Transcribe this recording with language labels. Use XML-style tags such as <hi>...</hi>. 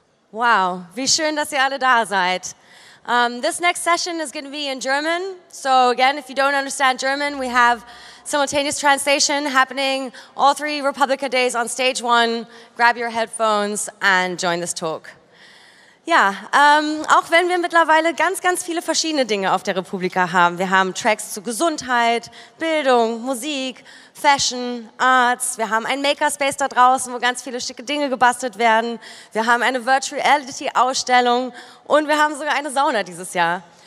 <de>Wow, wie schön, dass ihr alle da seid.</de> <en>This next session is going to be in German. So again, if you don't understand German, we have simultaneous translation happening all three Republica days on stage one. Grab your headphones and join this talk.</en> <de>Ja, auch wenn wir mittlerweile ganz, ganz viele verschiedene Dinge auf der Republika haben. Wir haben Tracks zu Gesundheit, Bildung, Musik, Fashion, Arts. Wir haben einen Makerspace da draußen, wo ganz viele schicke Dinge gebastelt werden. Wir haben eine Virtual-Reality-Ausstellung und wir haben sogar eine Sauna dieses Jahr.</de>